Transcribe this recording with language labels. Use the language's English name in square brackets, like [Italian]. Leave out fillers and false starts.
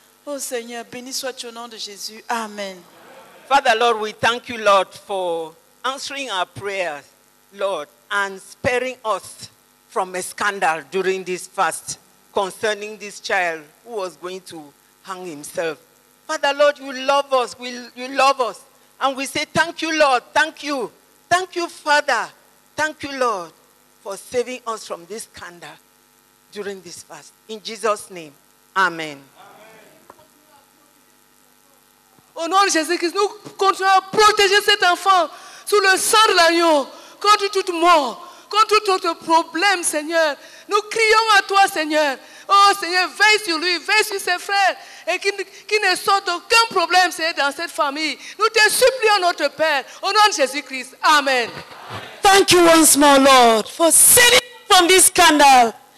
[French] Ô Seigneur, béni sois-tu au nom de Jésus. Amen. [English] Father, Lord, we thank you, Lord, for answering our prayers, Lord, and sparing us from a scandal during this fast concerning this child who was going to hang himself. Father, Lord, you love us. You love us. And we say, thank you, Lord. Thank you. Thank you, Father. Thank you, Lord, for saving us from this scandal during this fast. In Jesus' name, amen. [French] Au nom de Jésus-Christ, nous continuons à protéger cet enfant sous le sang de l'agneau, contre toute mort, contre tout autre problème, Seigneur. Nous crions à toi, Seigneur. Oh, Seigneur, veille sur lui, veille sur ses frères, et qu'il ne sorte aucun problème, Seigneur, dans cette famille. Nous te supplions, notre Père, au nom de Jésus-Christ. Amen. [English] Thank you once more, Lord, for saving us from this scandal.